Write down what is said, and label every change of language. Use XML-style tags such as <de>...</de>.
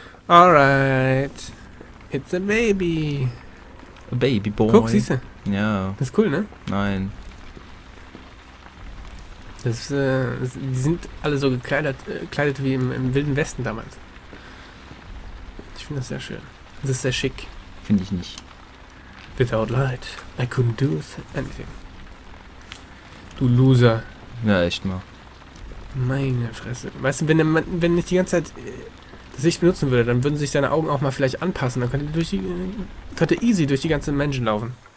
<en>Alright. It's a baby. A baby boy.</en> <de>Guck, siehste. Ja. Das ist cool, ne? Nein. Die sind alle so gekleidet wie im Wilden Westen damals. Ich finde das sehr schön. Das ist sehr schick. Finde ich nicht.</de> <en>Without light, I couldn't do anything.</en> <de>Du Loser. Ja, echt mal. Meine Fresse. Weißt du, wenn ich die ganze Zeit das Licht benutzen würde, dann würden sich deine Augen auch mal vielleicht anpassen. Dann könnte easy durch die ganzen Menschen laufen.</de>